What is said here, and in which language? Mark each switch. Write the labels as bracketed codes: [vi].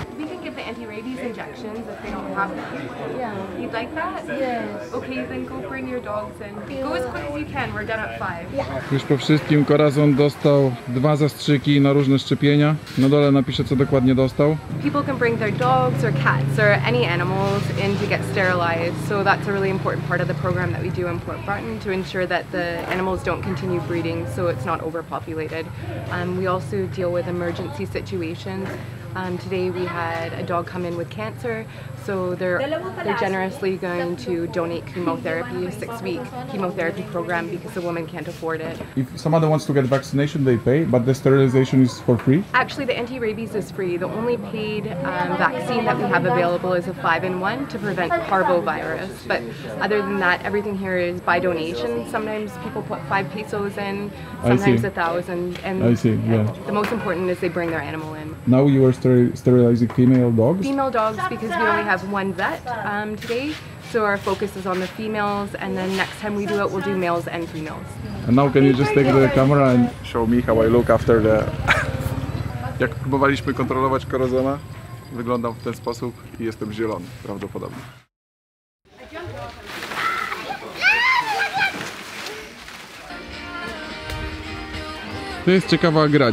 [en] We can give the anti-rabies injections if they don't have them. Yeah. You'd like that? Yes. Okay, then go bring your dogs in. Go as quick as you can, we're done at 5. Yeah. [pl] Już po wszystkim Corazon dostał dwa zastrzyki na różne szczepienia. Na dole napiszę, co dokładnie dostał. [en] People can bring their dogs or cats or any animals in to get sterilized. So that's a really important part of the program that we do in Port Barton to ensure that the animals don't continue breeding, so it's not overpopulated. We also deal with emergency situations. Today we had a dog come in with cancer, so they're generously going to donate chemotherapy, a 6-week chemotherapy program, because the woman can't afford it. If somebody wants to get vaccination, they pay, but the sterilization is for free? Actually, the anti-rabies is free. The only paid vaccine that we have available is a 5-in-1 to prevent parvovirus. But other than that, everything here is by donation. Sometimes people put 5 pesos in, sometimes 1,000. I see. The most important is they bring their animal in. Now you are sterilizing female dogs? Female dogs, because we only have one vet today. So our focus is on the females, and then next time we do it, we'll do males and females. And now can you just take the camera and show me how I look after the... [pl] Jak próbowaliśmy kontrolować Corazona, wyglądał w ten sposób i jestem zielony, prawdopodobnie. To jest ciekawa gra.